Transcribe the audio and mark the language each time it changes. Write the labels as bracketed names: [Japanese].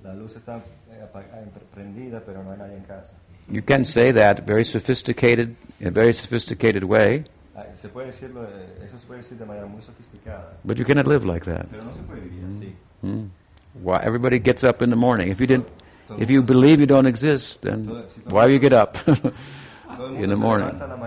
[Spanish] La luz está prendida, pero no hay nadie en casa. [English] You can say that very sophisticated, in a very sophisticated way. [Spanish] Se puede decirlo, eso se puede decir de manera muy sofisticada. [English] But you cannot live like that. [Spanish] Pero no se puede vivir así. [English] Mm-hmm. Why? Everybody gets up in the morning. If you believe you don't exist, then why do you get up in the morning?